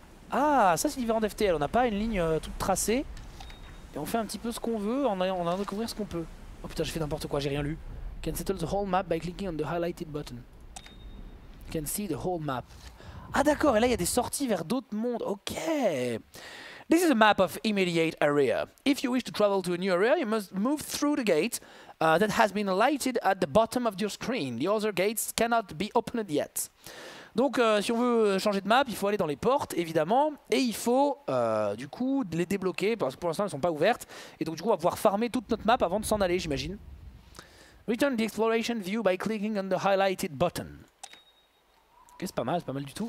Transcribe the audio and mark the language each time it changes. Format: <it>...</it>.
<fr>Ah ça c'est différent d'FTL, on n'a pas une ligne toute tracée. Et on fait un petit peu ce qu'on veut en allant découvrir ce qu'on peut. Oh putain j'ai fait n'importe quoi, j'ai rien lu.</fr> <en>Can settle the whole map by clicking on the highlighted button. Can see the whole map.</en> <fr>Ah d'accord, et là il y a des sorties vers d'autres mondes, ok.</fr> <en>This is a map of immediate area. If you wish to travel to a new area, you must move through the gate that has been lighted at the bottom of your screen. The other gates cannot be opened yet.</en> <fr>Donc si on veut changer de map, il faut aller dans les portes, évidemment, et il faut du coup les débloquer, parce que pour l'instant elles ne sont pas ouvertes, et donc du coup on va pouvoir farmer toute notre map avant de s'en aller, j'imagine.</fr> <en>Return the exploration view by clicking on the highlighted button.</en> <fr>Ok, c'est pas mal du tout.</fr>